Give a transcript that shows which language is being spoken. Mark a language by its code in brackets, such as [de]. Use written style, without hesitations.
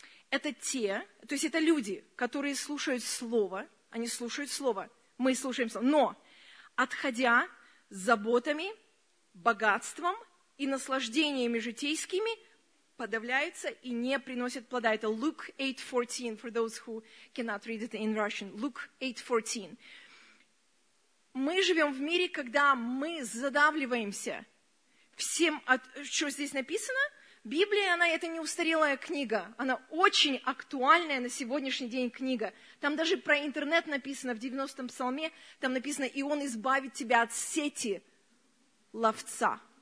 [ru] Это те, то есть это люди, которые слушают слово, они слушают слово, мы слушаем слово, но отходя заботами, богатством и наслаждениями житейскими, подавляются и не приносят плода. Это [en] Luke 8:14, for those who cannot read it in Russian, Luke 8:14. [ru] Мы живем в мире, когда мы задавливаемся всем, что здесь написано. Библия, она это не устарелая книга, она очень актуальная на сегодняшний день книга. Там даже про интернет написано в 90-м псалме, там написано, и он избавит тебя от сети ловца.